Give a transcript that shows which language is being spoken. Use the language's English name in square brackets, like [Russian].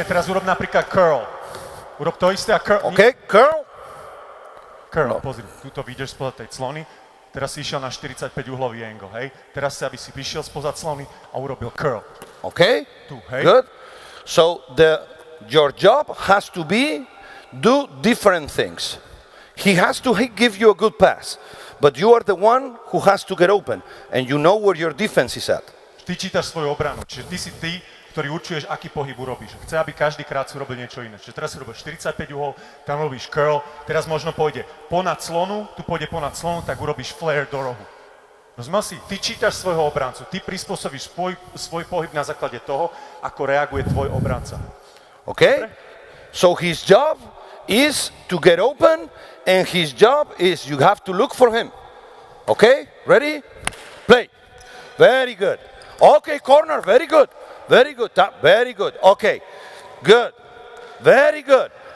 [Slovak] Teraz urob napríklad curl. Urob to isté a curl. [English] Okay, curl. Curl, no. [Slovak] Pozri, tuto vyjdeš spoza tej clony. Teraz si išiel na 45 uhlový angle, hej? Teraz si, aby si vyšiel spoza clony a urobil curl. [English] Okay, [Slovak] tu, hej? [English] Good. So your job has to be do different things. He has to give you a good pass. But you are the one who has to get open and you know where your defense is at. [Slovak] Ty čítaš svoju obranu, čiže ty si ty, ktorý určuješ, aký pohyb urobíš. Chce, aby každý krát si urobil niečo iné. Čiže teraz si robíš 45 uhol, tam robíš curl, teraz možno pôjde ponad clonu, tu pôjde ponad clonu, tak urobíš flare do rohu. Rozumel si? Ty čítaš svojho obrancu, ty prispôsobíš svoj pohyb na základe toho, ako reaguje tvoj obranca. [English] OK? [Slovak] Dobre? [English] So his job is to get open. And his job is you have to look for him. Okay? Ready? Play. Very good. Okay, corner. Very good. Very good. Very good. Okay. Good. Very good.